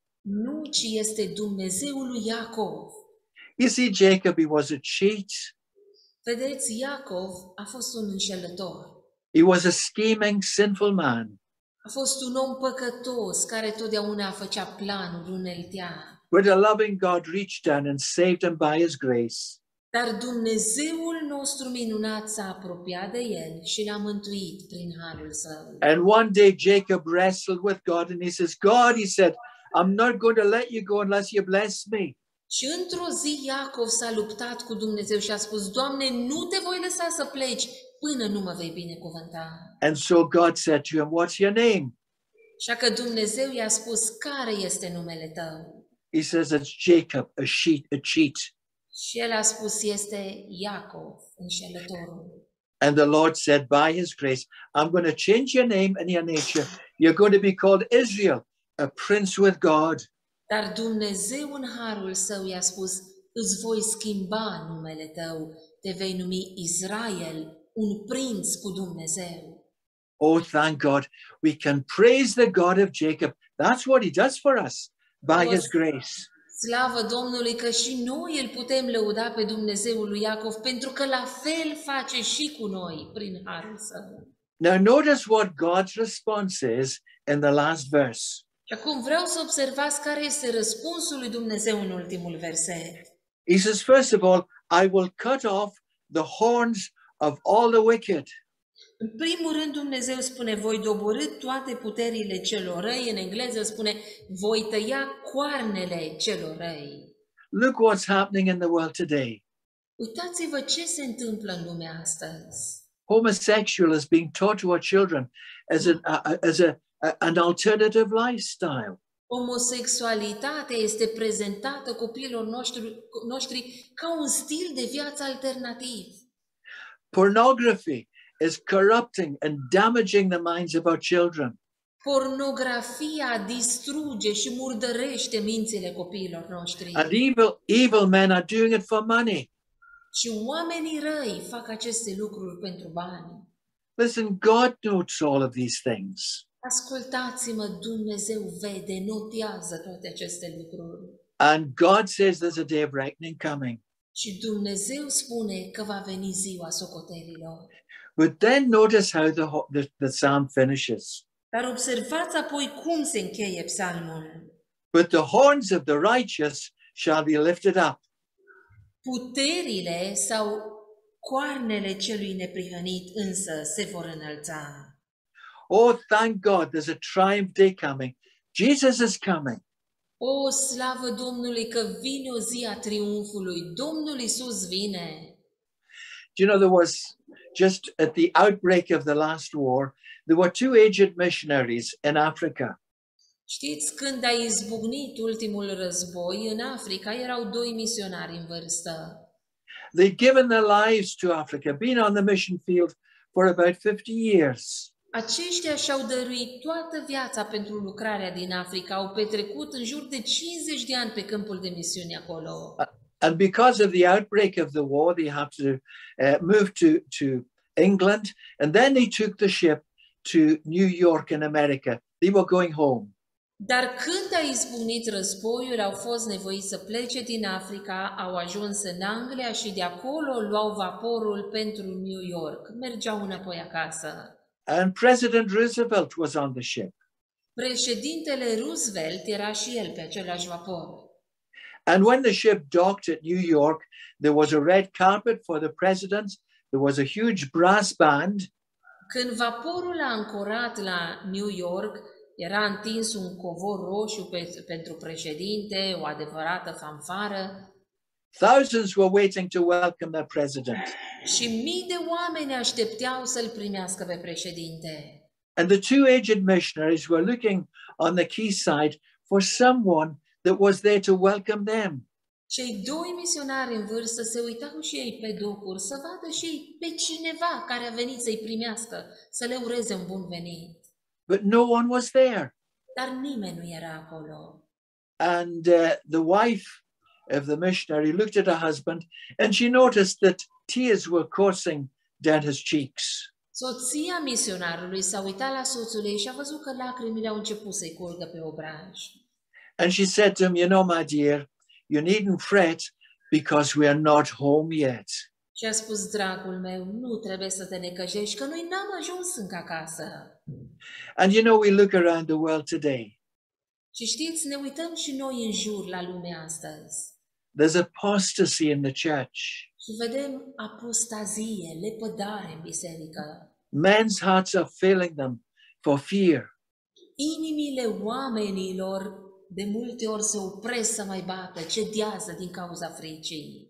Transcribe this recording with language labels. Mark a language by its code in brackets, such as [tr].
[ro] Nu, ci este Dumnezeul lui Iacov. [en] You see, Jacob, he was a cheat. [ro] Vedeți, Iacov a fost un înșelător. [en] He was a scheming, sinful man. [ro] A fost un om păcătos care totdeauna făcea planuri uneltea. [en] But a loving God reached down and saved him by his grace. [ro] Dar Dumnezeul nostru minunat s-a apropiat de el și l-a mântuit prin harul său. [en] And one day Jacob wrestled with God and he says, God, he said, I'm not going to let you go unless you bless me. [ro] Și într-o zi Iacov s-a luptat cu Dumnezeu și a spus, Doamne, nu te voi lăsa să pleci până nu mă vei binecuvânta. [en] And so God said to him, what's your name? [ro] Și că Dumnezeu i-a spus, care este numele tău? [en] He says, it's Jacob, a cheat. [ro] Și el a spus, este Iacov, înșelătorul. [en] And the Lord said, by his grace, I'm going to change your name and your nature. You're going to be called Israel, a prince with God. [ro] Dar Dumnezeu în harul său i-a spus, îți voi schimba numele tău, te vei numi Israel, un prinț cu Dumnezeu. [en] Oh, thank God, we can praise the God of Jacob. That's what he does for us, by his grace. [ro] Slavă Domnului că și noi îl putem lăuda pe Dumnezeul lui Iacov, pentru că la fel face și cu noi, prin harul său. [en] Now notice what God's response is in the last verse. [ro] Acum vreau să observați care este răspunsul lui Dumnezeu în ultimul verset. [en] He says, first of all, I will cut off the horns of all the wicked. [ro] În primul rând, Dumnezeu spune, voi dobori toate puterile celor răi. În engleză spune, voi tăia coarnele celor răi. [en] Look what's happening in the world today. [ro] Uitați-vă ce se întâmplă în lumea astăzi. [en] Homosexual is being taught to our children as an alternative lifestyle. [ro] Homosexualitatea este prezentată copiilor noștri ca un stil de viață alternativ. [en] Pornography is corrupting and damaging the minds of our children. [ro] Pornografia distruge și murdărește mințile copiilor noștri. [en] And evil men are doing it for money. [ro] Și oamenii răi fac aceste lucruri pentru bani. [en] Listen, God notes all of these things. [ro] Ascultați-mă, Dumnezeu vede, notează toate aceste lucruri. [en] And God says there's a day of reckoning coming. [ro] Și Dumnezeu spune că va veni ziua socotelilor. [en] But then notice how the psalm finishes. [ro] Dar observați apoi cum se încheie psalmul. [en] But the horns of the righteous shall be lifted up. [ro] Puterile sau coarnele celui neprihănit însă se vor înălța. [en] Oh, thank God, there's a triumph day coming. Jesus is coming. [ro] Oh, slavă Domnului că vine o zi a triumfului. Domnul Iisus vine. [en] Do you know, there was just at the outbreak of the last war, there were two aged missionaries in Africa. [ro] Știți, când a izbucnit ultimul război în Africa, erau doi misionari în vârstă. [en] They'd given their lives to Africa, been on the mission field for about 50 years. [ro] Aceștia și-au dăruit toată viața pentru lucrarea din Africa, au petrecut în jur de 50 de ani pe câmpul de misiuni acolo. [en] And because of the outbreak of the war, they had to move to England, and then they took the ship to New York in America. They were going home. [ro] Dar când a izbucnit războiul, au fost nevoiți să plece din Africa, au ajuns în Anglia și de acolo luau vaporul pentru New York. Mergeau înapoi acasă. [en] And President Roosevelt was on the ship. [ro] Președintele Roosevelt era și el pe același vapor. [en] And when the ship docked at New York, there was a red carpet for the president. There was a huge brass band. [ro] Când vaporul a ancorat la New York, era întins un covor roșu pentru președinte, o adevărată fanfară. [en] Thousands were waiting to welcome their president. [ro] Și mii de oameni așteptau să-l primească pe președinte. [en] And the two aged missionaries were looking on the quayside for someone that was there to welcome them. [ro] Cei doi misionari în vârstă se uitau și ei pe docuri să vadă și ei pe cineva care a venit să-i primească, să le ureze un bun venit. [en] But no one was there. [ro] Dar nimeni nu era acolo. [en] And the wife of the missionary looked at her husband and she noticed that tears were coursing down his cheeks. [ro] Soția misionarului s-a uitat la soțul ei și a văzut că lacrimile au început să-i curgă pe obraj. [en] And she said to him, you know, my dear, you needn't fret because we are not home yet. [ro] Și a spus, dragul meu, nu trebuie să te necăjești, că noi n-am ajuns încă acasă. [en] And you know, we look around the world today. [ro] Și știți, ne uităm și noi în jur la lumea astăzi. [en] There's apostasy in the church. [ro] Și vedem apostazie, lepădare în biserică. [en] Men's hearts are failing them for fear. [ro] Inimile oamenilor de multe ori se opresc să mai bată, cedează din cauza fricii.